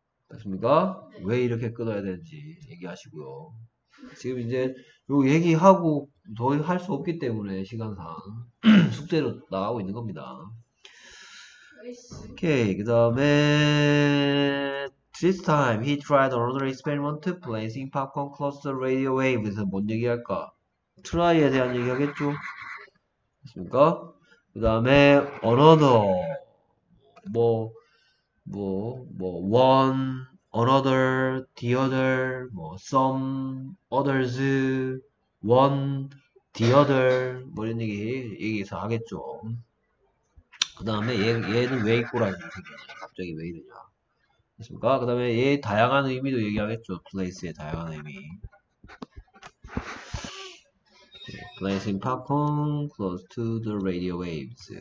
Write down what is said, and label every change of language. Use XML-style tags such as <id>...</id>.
<ko>됐습니까? 네. 왜 이렇게 끊어야 되는지 얘기하시고요. 지금 이제 요 얘기하고 더 할 수 없기 때문에 시간상 숙제로 나가고 있는 겁니다. 오케이 그 다음에</ko> <en>This time, he tried another experiment, placing popcorn close to the radio waves.</en> <ko>뭔 얘기할까? 트라이에 대한 얘기하겠죠? 맞습니까? 그 다음에, another.</ko> <en>one, another, the other, some, others, one, the other.</en> <ko>뭐 이런 얘기, 얘기해서 하겠죠. 그 다음에, 얘는 왜 이꼬라지? 갑자기 왜 이러냐. 그 다음에 얘 다양한 의미도 얘기하겠죠. Place의 다양한 의미.</ko> <en>Placing popcorn close to the radio waves.</en>